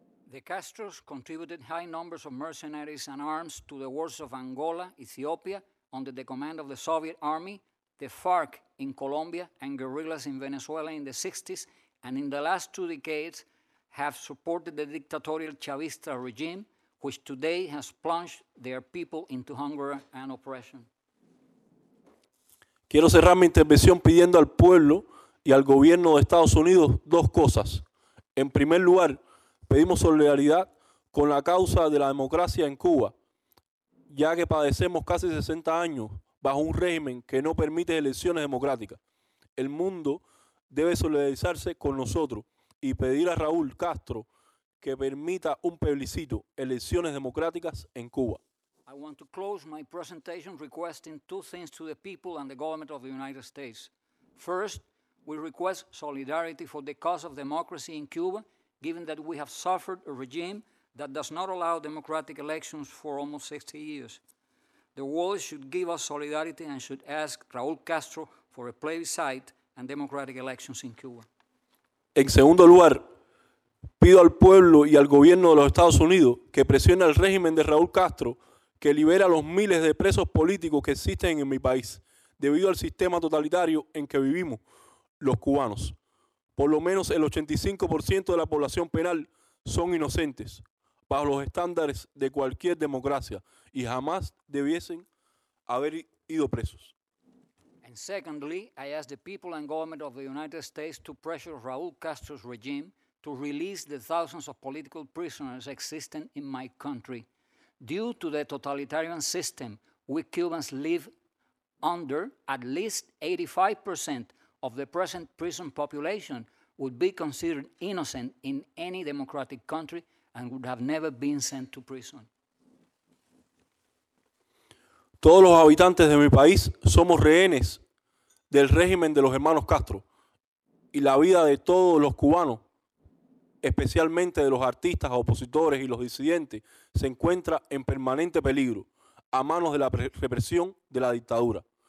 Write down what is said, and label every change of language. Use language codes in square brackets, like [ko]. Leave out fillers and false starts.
[en] The Castros contributed high numbers of mercenaries and arms to the wars of Angola, Ethiopia, under the command of the Soviet Army, the FARC in Colombia, and guerrillas in Venezuela in the 60s, and in the last two decades have supported the dictatorial Chavista regime, which today has plunged their people into hunger and oppression. [es] Quiero cerrar mi intervención pidiendo al pueblo y al gobierno de Estados Unidos dos cosas. En primer lugar, pedimos solidaridad con la causa de la democracia en Cuba, ya que padecemos casi 60 años bajo un régimen que no permite elecciones democráticas. El mundo debe solidarizarse con nosotros y pedir a Raúl Castro que permita un plebiscito, elecciones democráticas en Cuba. [en] I want to close my presentation requesting two things to the people and the government of the United States. First, we request solidarity for the cause of democracy in Cuba, given that we have suffered a regime that does not allow democratic elections for almost 60 years. The world should give us solidarity and should ask Raúl Castro for a plebiscite and democratic elections in Cuba. [es] En segundo lugar, pido al pueblo y al gobierno de los Estados Unidos que presione al régimen de Raúl Castro que libere a los miles de presos políticos que existen en mi país debido al sistema totalitario en que vivimos los cubanos. Por lo menos el 85% de la población penal son inocentes bajo los estándares de cualquier democracia y jamás debiesen haber ido presos. [en] And secondly, I ask the people and government of the United States to pressure Raúl Castro's regime to release the thousands of political prisoners existing in my country. Due to the totalitarian system we Cubans live under, at least 85% of the present prison population would be considered innocent in any democratic country and would have never been sent to prison. [es] Todos los habitantes de mi país somos rehenes del régimen de los hermanos Castro, y la vida de todos los cubanos, especialmente de los artistas, opositores y los disidentes, se encuentra en permanente peligro a manos de la represión de la dictadura.